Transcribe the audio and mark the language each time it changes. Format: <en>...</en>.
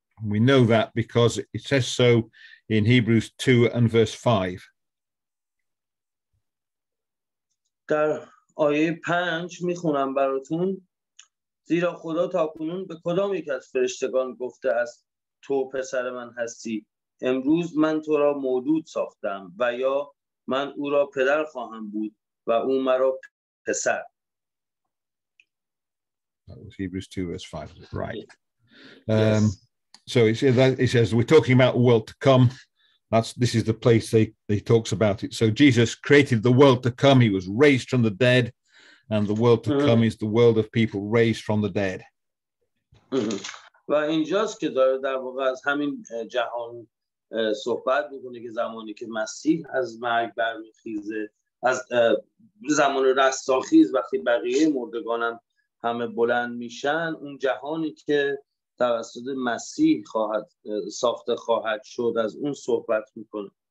<en>We know that because it says so in Hebrews 2 and verse 5.</en> <fa>در آیه 5 میخونم براتون، زیرا خدا تا کنون به کدام یک از فرشتگان گفته است تو پسر من هستی، امروز من تو را مولود ساختم، و یا من او را پدر خواهم بود و او مرا پسر.</fa> <en>That was Hebrews 2 verse 5, right? Yes. So it says we're talking about the world to come. This is the place they talks about it. So Jesus created the world to come. He was raised from the dead, and the world to come is the world of people raised from the dead.</en> <fa>و اینجاست که داره در واقع از همین جهان صحبت می‌کنه که زمانی که مسیح از مرگ برمی‌خیزه، از زمان رستاخیز وقتی بقیه مردگان همه بلند میشن، اون جهانی که توسط مسیح خواهد ساخته خواهد شد از اون صحبت میکنه.</fa>